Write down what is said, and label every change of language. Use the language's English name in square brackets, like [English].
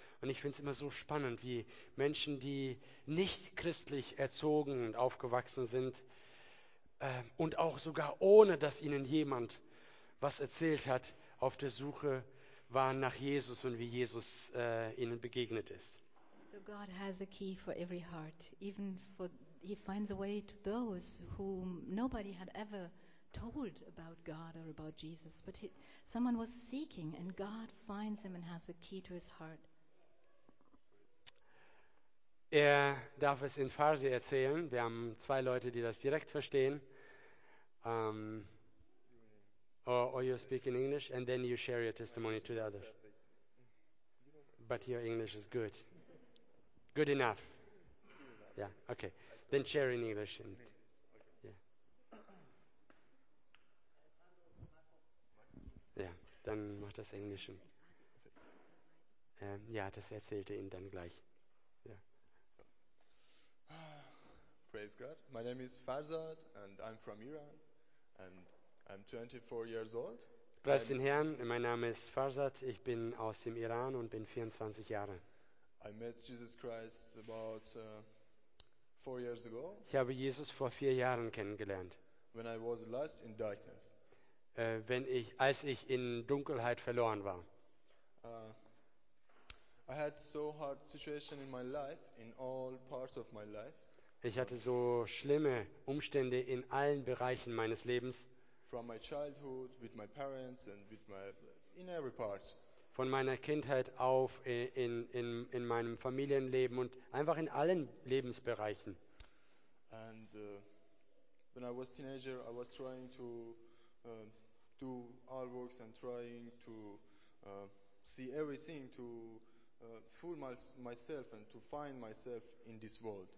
[German] Und ich finde es immer so spannend, wie Menschen, die nicht christlich erzogen und aufgewachsen sind, und auch sogar ohne, dass ihnen jemand was erzählt hat, auf der Suche waren nach Jesus und wie Jesus ihnen begegnet ist. [English] So God has a key for every heart. Even for he finds a way to those whom nobody had ever told about God or about Jesus. But he, someone was seeking, and God finds him and has a key to his heart. [German] Er darf es in Farsi erzählen. Wir haben zwei Leute, die das direkt verstehen. [English] Or you speak in English, and then you share your testimony to the others. But your English is good. Good enough. Yeah, okay. Then share in English. [German] And yeah, dann macht das Englisch. Ja, das erzählte ihn dann gleich. [English] Praise God. My name is Farzad and I'm from Iran and I'm 24 years old. [German] Preist den Herrn, mein Name ist Farzad, ich bin aus dem Iran und bin 24 Jahre. [English] I met Jesus Christ about 4 years ago. [German] Ich habe Jesus vor 4 Jahren kennengelernt. [English] When I was lost in darkness. [German] Als ich in Dunkelheit verloren war. [English] I had so hard situation in my life, in all parts of my life. [German] Ich hatte so schlimme Umstände in allen Bereichen meines Lebens. [English] From my childhood, with my parents and with my, in every part. [German] Von meiner Kindheit auf in meinem Familienleben und einfach in allen Lebensbereichen. [English] And when I was teenager, I was trying to do all works and trying to see everything to fool myself and to find myself in this world.